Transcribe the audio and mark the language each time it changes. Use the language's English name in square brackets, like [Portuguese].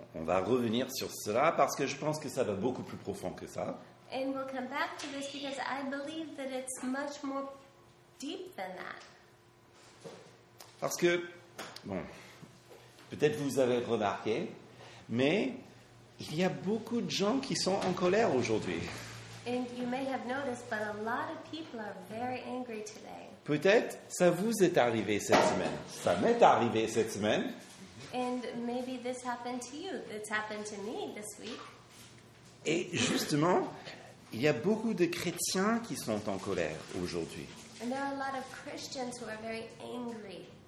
[French] On va revenir sur cela parce que je pense que ça va beaucoup plus profond que ça. [English] And we'll come back to this because I believe that it's much more deep than that. [French] Parce que, bon, peut-être vous avez remarqué, mais il y a beaucoup de gens qui sont en colère aujourd'hui. [English] And you may have noticed, but a lot of people are very angry today. [French] Peut-être ça vous est arrivé cette semaine. Ça m'est arrivé cette semaine. [English] And maybe this happened to you. It's happened to me this week. [French] Et justement, il y a beaucoup de chrétiens qui sont en colère aujourd'hui. [English] And there are a lot of Christians who are very angry.